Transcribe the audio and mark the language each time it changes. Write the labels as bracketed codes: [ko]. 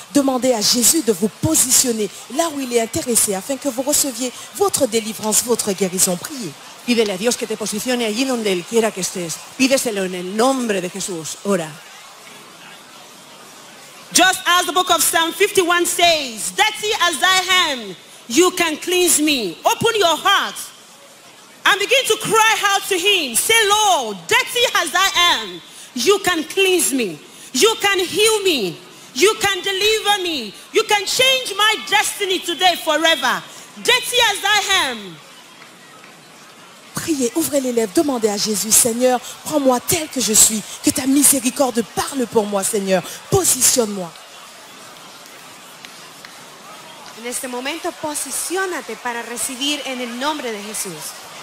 [fr] Demandez à Jésus de vous positionner là où il est intéressé afin que vous receviez votre délivrance, votre guérison. Priez. [es] Pídele a Dios que te posicione allí donde Él quiera que estés. Pídeselo en el nombre de Jesús. Ora. [en] Just as the book of Psalm 51 says, dirty as thy hand, you can cleanse me. Open your heart and begin to cry out to him. Say, Lord, dirty as I am, you can cleanse me. You can heal me. You can deliver me. You can change my destiny today forever. Dirty as I am. [fr] Priez, ouvrez les lèvres, demandez à Jésus, Seigneur, prends-moi tel que je suis, que ta miséricorde parle pour moi, Seigneur, positionne-moi. [es] En este momento, posicionate para recibir en el nombre de Jesús.